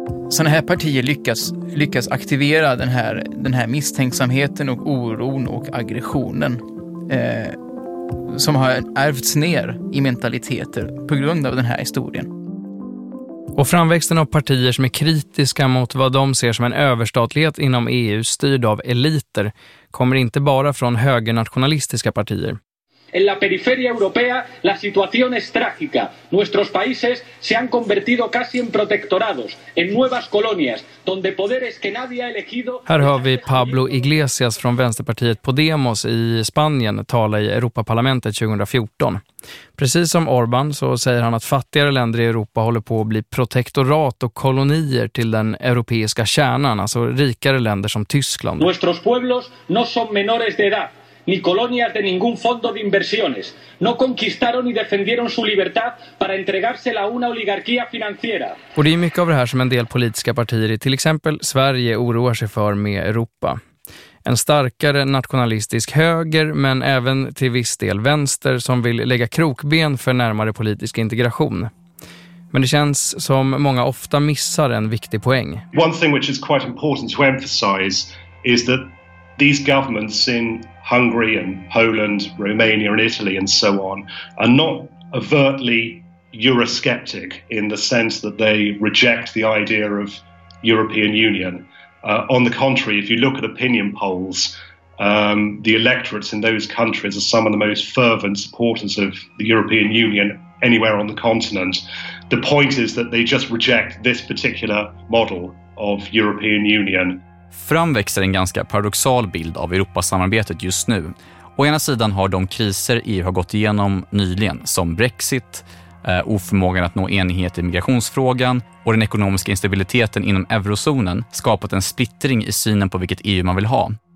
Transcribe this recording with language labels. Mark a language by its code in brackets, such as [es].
[sv] Sådana här partier lyckas aktivera den här misstänksamheten och oron och aggressionen som har ärvts ner i mentaliteter på grund av den här historien. Och framväxten av partier som är kritiska mot vad de ser som en överstatlighet inom EU styrd av eliter kommer inte bara från högernationalistiska partier. [es] En la periferia europea la situación es trágica. Nuestros países se han convertido casi en protectorados, en nuevas colonias, donde poderes que nadie ha elegido. [sv] Här hör vi Pablo Iglesias från Vänsterpartiet Podemos i Spanien tala i Europaparlamentet 2014. Precis som Orbán så säger han att fattigare länder i Europa håller på att bli protektorat och kolonier till den europeiska kärnan, alltså rikare länder som Tyskland. [es] Nuestros pueblos no son menores de edad. Ni colonias de ningún fondo de inversiones. No conquistaron ni defendieron su libertad para entregársela a una oligarquía financiera. [sv] Och det är mycket av det här som en del politiska partier i till exempel Sverige oroar sig för med Europa. En starkare nationalistisk höger men även till viss del vänster som vill lägga krokben för närmare politisk integration. Men det känns som många ofta missar en viktig poäng. [en] One thing which is quite important to emphasize is that these governments in Hungary and Poland, Romania and Italy and so on are not overtly eurosceptic in the sense that they reject the idea of European Union. On the contrary, if you look at opinion polls, the electorates in those countries are some of the most fervent supporters of the European Union anywhere on the continent. The point is that they just reject this particular model of European Union. [sv] Framväxer en ganska paradoxal bild av Europasamarbetet just nu. Å ena sidan har de kriser EU har gått igenom nyligen, som Brexit, oförmågan att nå enighet i migrationsfrågan och den ekonomiska instabiliteten inom eurozonen, skapat en splittring i synen på vilket EU man vill ha.